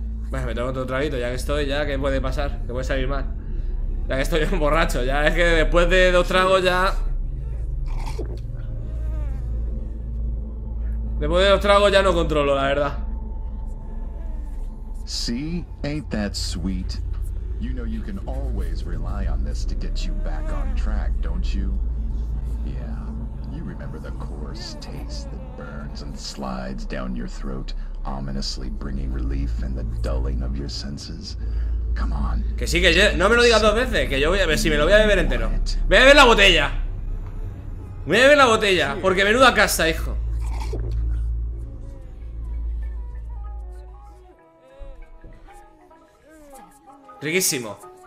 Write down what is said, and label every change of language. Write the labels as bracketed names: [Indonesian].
[Spanish] Bueno, me tomo otro traguito, ya que estoy, ya que puede pasar, que puede salir mal. Ya que estoy un borracho, ya es que después de dos tragos ya. Después de dos tragos ya no controlo, la verdad. [English] See, ain't that sweet? You know you can always rely on this to get you back on track, don't you? Yeah, you remember the coarse taste that burns and slides down your throat, ominously bringing relief and the dulling of your senses. Come on. [Spanish] Que sí, que yo, no me lo digas dos veces, que yo voy a ver si me lo voy a beber entero. Voy a beber la botella. Voy a beber la botella, porque menuda casta, hijo. Riquísimo.